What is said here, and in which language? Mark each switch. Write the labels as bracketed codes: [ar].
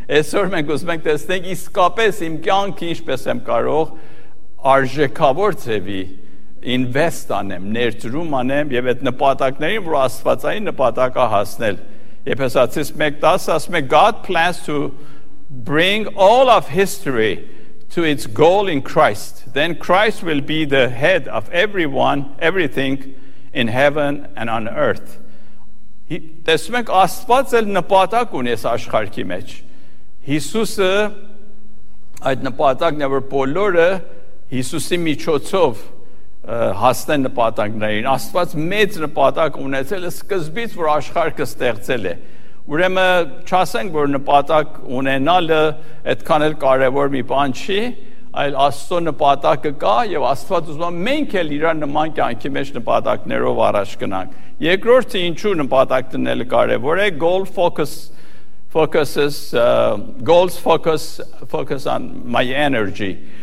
[hy] Այսօր մենք ուզում ենք տեսնենք իսկապես իմ կյանքը ինչպես եմ կարող արժեքավոր ձևի ինվեստ անեմ, ներդրում անեմ եւ այդ նպատակներին, որ աստվածային նպատակա հասնել։ Եփեսացիս 1:10 ասում է, [en] God plans to bring all of history to its goal in Christ. Then Christ will be the head of everyone, everything in heaven and on earth. [hy] Տեսնում եք, Աստված էլ նպատակ ունի այս աշխարհի մեջ, Հիսուսը այդ նպատակն է, որ բոլորը Հիսուսի միջոցով հասնեն նպատակներին, Աստված մեծ նպատակ ունեցել է սկզբից, որ աշխարհը ստեղծել է, ուրեմն չասենք, որ նպատակ ունենալը այդքան էլ կարևոր մի բան չի, այլ Աստծո նպատակը կա, եւ Աստված ուզում է մենք էլ իր նման կյանքի մեջ նպատակներով առաջ գնանք։ Երկրորդը, ինչու նպատակ դնելը կարևոր է, [en] goals focus on my energy.